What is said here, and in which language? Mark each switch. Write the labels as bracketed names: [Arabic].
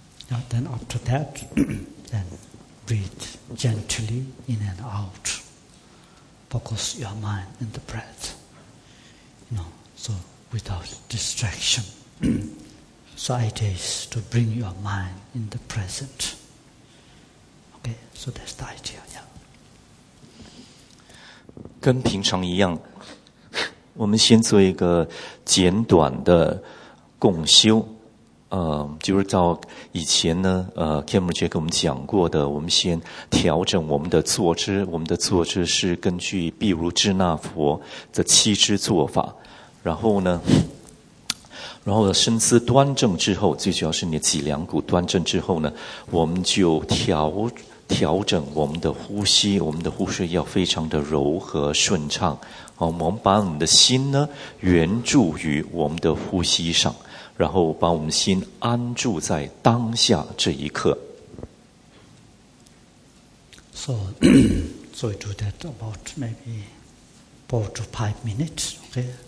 [English] Now, then after that, then breathe gently in and out. Focus your mind in the breath, you know, so without distraction. So idea is to bring your mind in the present. Okay, so that's the idea. Yeah. [Chinese] 跟平常一样，我们先做一个简短的共修。就是照以前呢，Cameron 姐跟我们讲过的，我们先调整我们的坐姿。我们的坐姿是根据毗卢遮那佛的七支坐法，然后身姿端正之后，最主要是你的脊梁骨端正之后呢，我们就调整我们的呼吸，我们的呼吸要非常的柔和顺畅。我们把我们的心呢，圆注于我们的呼吸上，然后把我们心安住在当下这一刻。 [English] So we do that about maybe 4 to 5 minutes, okay?